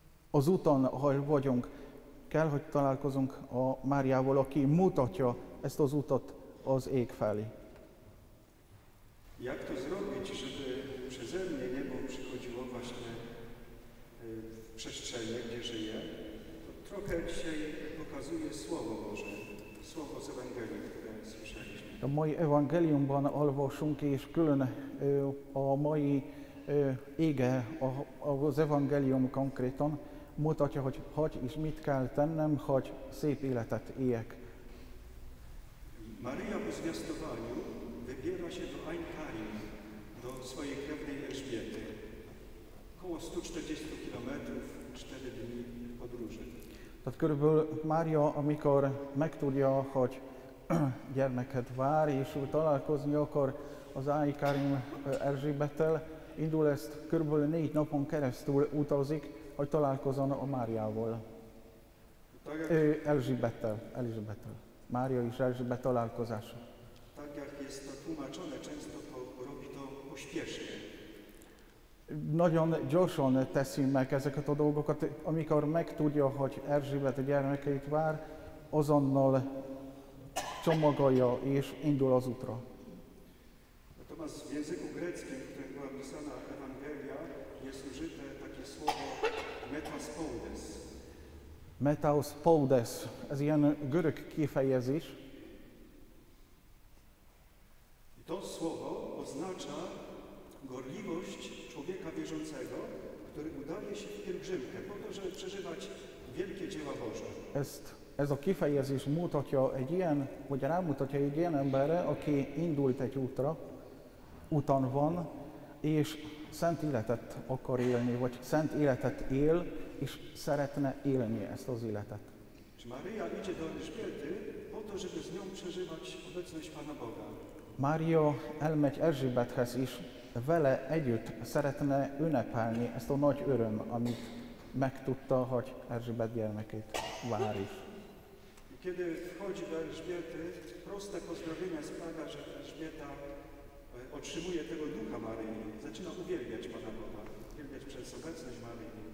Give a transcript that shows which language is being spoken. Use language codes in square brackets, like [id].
[hu] az úton, ahol vagyunk, kell, hogy találkozunk a Máriával, aki mutatja ezt az utat az ég felé. [pl] Jak to zrobić, żeby przeze mnie niebo przychodziło właśnie w przestrzenie, gdzie żyję? To trochę dzisiaj pokazuje Słowo Boże, Słowo z Ewangelii, które słyszeliśmy. [hu] A mai Ewangeliumban olvasunk, és külön a mai ége az Ewangelium konkrétan mutatja, hogy és mit kell tennem, hogy szép életet éljek. [pl] Maria po zwiastowaniu wybiera się do Ein Karim, do swojej krewnej Elżbiety. Około 140 km, 4 dni podróży. [hu] Tehát körülbelül Mária, amikor megtudja, hogy gyermeket vár, és úgy találkozni akar az Ein Karim Erzsébettel, indul ezt, körülbelül 4 napon keresztül utazik, hogy találkozzon a Máriával. Ő Elzsébettel. Mária és Elzsébet találkozása. [pl] Tak jak jest to tłumaczone, często to robi to pośpiesznie. [hu] Nagyon gyorsan teszi meg ezeket a dolgokat, amikor megtudja, hogy Erzsébet gyermekeit vár, azonnal csomagolja és indul az útra. [pl] Natomiast w języku greckim, które była pisana Ewangelia, jest użyte takie słowo metaspoudes. [hu] Metaspoudes, ez ilyen görög kifejezés. [pl] To słowo oznacza gorliwość człowieka wierzącego, który udaje się w pielgrzymkę, po to, żeby przeżywać wielkie dzieła Boże. [hu] Ez a kifejezés mutatja egy ilyen, vagy rámutatja egy ilyen emberre, aki indult egy útra, utan van, és szent életet akar élni, vagy szent életet él, és szeretne élni ezt az életet. [pl] Maria idzie do Elżbiety po to, żeby z nią przeżywać obecność Pana Boga. [hu] Mária elmegy Erzsébethez, és vele együtt szeretne ünnepelni ezt a nagy öröm, amit megtudta, hogy Erzsébet gyermekét vár is. [pl] Kiedy wchodzi do Elżbiety, proste pozdrowienia sprawia, że Elżbieta otrzymuje tego ducha Maryi, zaczyna uwielbiać Pana Boga, uwielbiać przez obecność Maryi.